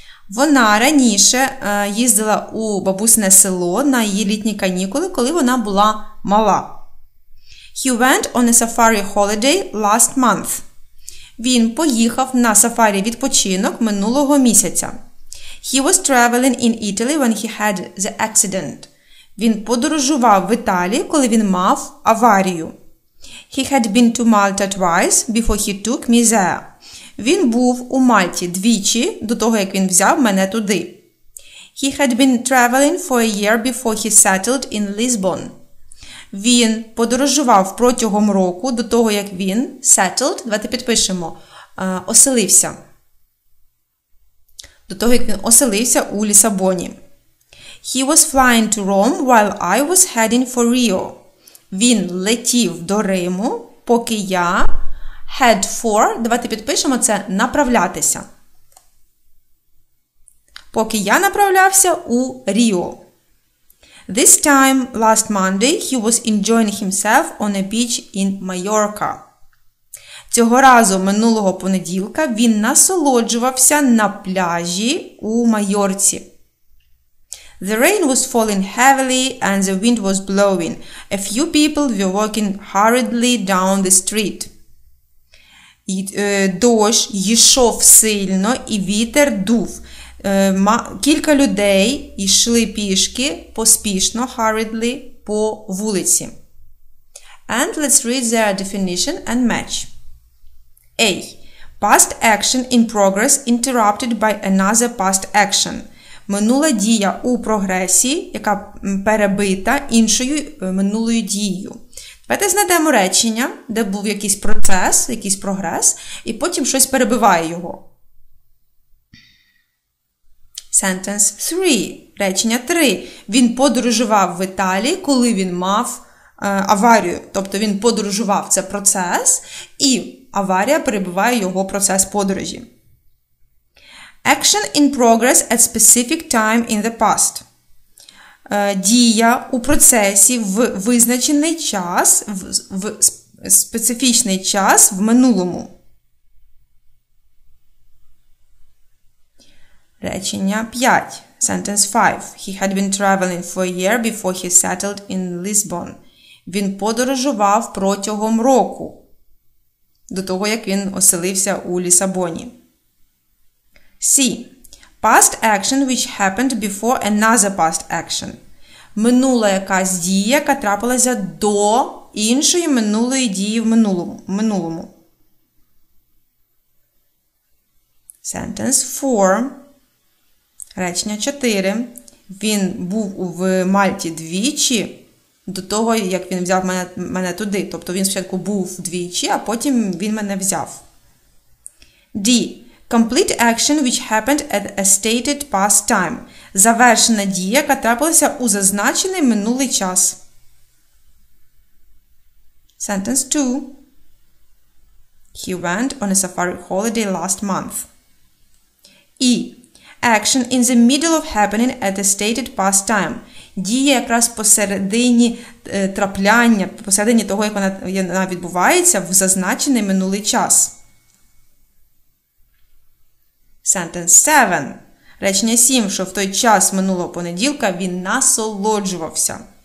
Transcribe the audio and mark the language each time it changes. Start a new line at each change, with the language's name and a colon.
Ukrainian: Вона раніше їздила у бабусине село на її літні канікули, коли вона була мала.
English: He went on a safari holiday last month.
Ukrainian: Він поїхав на сафарі відпочинок минулого місяця.
English: He was traveling in Italy when he had the accident.
Ukrainian: Він подорожував в Італії, коли він мав аварію.
English: He had been to Malta twice before he took me there.
Ukrainian: Він був у Мальті двічі до того, як він взяв мене туди.
English: He had been traveling for a year before he settled in Lisbon.
Ukrainian: Він подорожував протягом року до того, як він settled, давайте підпишемо, оселився. До того, як він оселився у Лісабоні.
English: He was flying to Rome while I was heading for Rio.
Ukrainian: Він летів до Риму, поки я...
English: Head for,
Ukrainian: давайте підпишемо це, направлятися. Поки я направлявся у Ріо.
English: This time, last Monday, he was enjoying himself on a beach in Mallorca.
Ukrainian: Цього разу, минулого понеділка, він насолоджувався на пляжі у Майорці.
English: The rain was falling heavily and the wind was blowing. A few people were walking hurriedly down the street.
Ukrainian: Дощ йшов сильно і вітер дув. Кілька людей йшли пішки, поспішно, hurriedly, по вулиці.
English: And let's read their definition and match. A. Past action in progress interrupted by another past action.
Ukrainian: Минула дія у прогресі, яка перебита іншою минулою дією. Давайте знайдемо речення, де був якийсь процес, якийсь прогрес, і потім щось перебиває його.
English: Sentence 3.
Ukrainian: Речення 3. Він подорожував в Італії, коли він мав аварію. Тобто він подорожував, це процес, і аварія перебиває його процес подорожі.
English: Action in progress at specific time in the past.
Ukrainian: Дія у процесі в визначений час, в специфічний час в минулому. Речення 5.
English: Sentence 5. He had been traveling for a year before he settled in Lisbon.
Ukrainian: Він подорожував протягом року до того, як він оселився у Лісабоні.
English: C. Past action which happened before another past action.
Ukrainian: Минула якась дія, яка трапилася до іншої минулої дії в минулому.
English: Sentence 4.
Ukrainian: Речення 4. Він був в Мальті двічі до того, як він взяв мене туди. Тобто він спочатку був двічі, а потім він мене взяв.
English: D. Complete action which happened at a stated past time.
Ukrainian: Завершена дія, яка трапилася у зазначений минулий час.
English: Sentence 2. He went on a safari holiday last month. E. Action in the middle of happening at the stated past time.
Ukrainian: Дія якраз посередині трапляння, посередині того, як вона відбувається, в зазначений минулий час.
English: Sentence 7.
Ukrainian: Речення 7, що в той час минулого понеділка він насолоджувався.